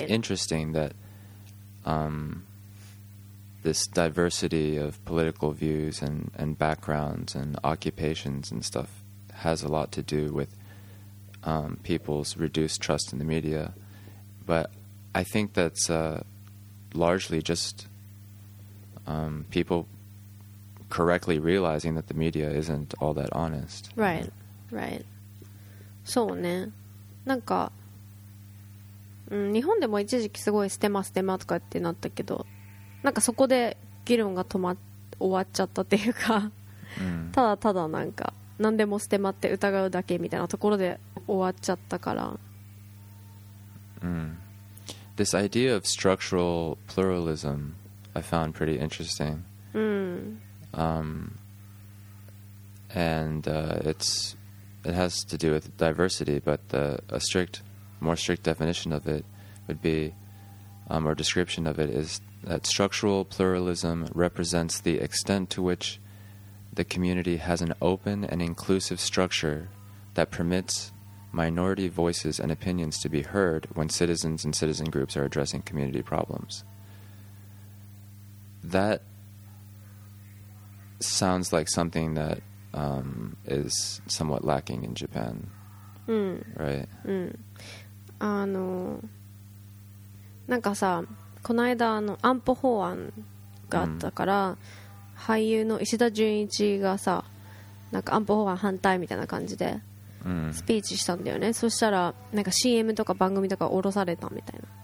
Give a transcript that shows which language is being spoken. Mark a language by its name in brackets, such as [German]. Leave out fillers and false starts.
[English] It's interesting that this diversity of political views and backgrounds and occupations and stuff has a lot to do with people's reduced trust in the media. But I think that's largely just people correctly realizing that the media isn't all that honest. Right, right. [Japanese] そうね、なんか、うん、日本でも一時期すごいステマステマとかってなったけど、なんかそこで議論が終わっちゃったっていうか、ただただなんか何でもステマって疑うだけみたいなところで終わっちゃったから、うん、 [English] this idea of structural pluralism I found pretty interesting. Mm. It has to do with diversity, but more strict definition of it would be, or description of it, is that structural pluralism represents the extent to which the community has an open and inclusive structure that permits minority voices and opinions to be heard when citizens and citizen groups are addressing community problems. That sounds like something that is somewhat lacking in Japan. Mm. Right? Mm. [Japanese] なんかさ、この間安保法案があったから、mm. 俳優の石田純一がさ、なんか安保法案反対みたいな感じでスピーチしたんだよね。mm. そしたらなんか CM とか番組とか降ろされたみたいな。